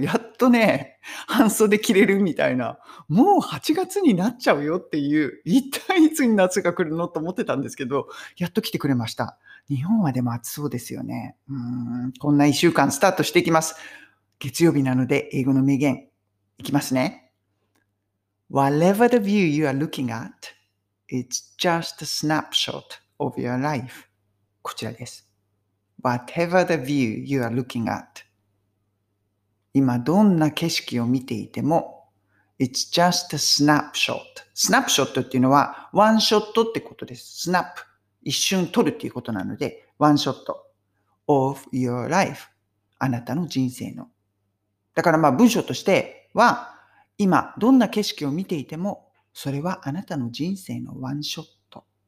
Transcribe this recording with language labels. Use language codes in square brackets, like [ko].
[ja] やっとね、半袖着れるみたいな、もう8月になっちゃうよっていう、一体いつに夏が来るのと思ってたんですけど、やっと来てくれました。日本はでも暑そうですよね。こんな1週間スタートしていきます。月曜日なので英語の名言いきますね。 [en] Whatever the view you are looking at, it's just a snapshot of your life. [ja] こちらです。 [en] Whatever the view you are looking at, [ja] 今どんな景色を見ていても、 [en] It's just a snapshot. [ja] Snapshot っていうのはワンショットってことです。Snap、 一瞬撮るっていうことなので、ワンショット [en] of your life、 [ja] あなたの人生の。だからまあ文章としては、今どんな景色を見ていても、それはあなたの人生のワンショット。